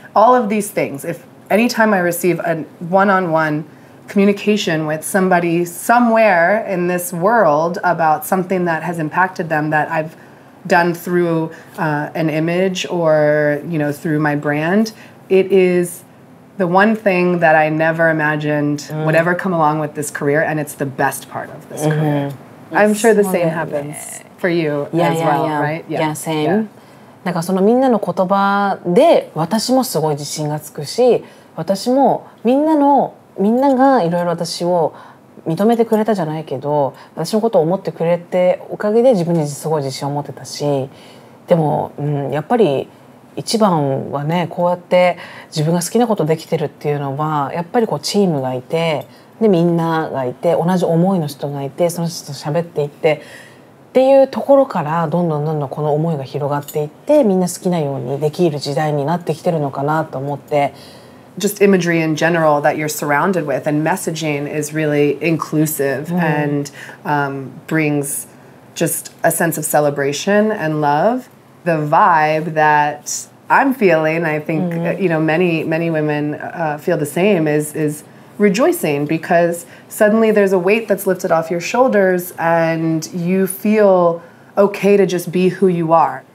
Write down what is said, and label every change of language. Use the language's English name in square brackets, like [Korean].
[English] All of these things, if anytime I receive a one-on-one communication with somebody somewhere in this world about something that has impacted them that I've done through an image or, you know, through my brand, it is the one thing that I never imagined would ever come along with this career, and it's the best part of this career. Yes. I'm sure the same happens for you as well, right? Yeah, yeah, same. Yeah. [Japanese] なんかそのみんなの言葉で私もすごい自信がつくし、私もみんながいろいろ私を認めてくれたじゃないけど、私のことを思ってくれておかげで自分にすごい自信を持てたし、でも、やっぱり一番はね、こうやって自分が好きなことできてるっていうのはやっぱりこうチームがいて、でみんながいて同じ思いの人がいて、その人と喋っていってっていうところからどんどんどんどんこの思いが広がっていって、みんな好きなようにできる時代になってきてるのかなと思って。 [English] Just imagery in general that you're surrounded with and messaging is really inclusive and brings just a sense of celebration and love. The vibe that I'm feeling, I think, you know, many, many women feel the same, is rejoicing because suddenly there's a weight that's lifted off your shoulders and you feel okay to just be who you are.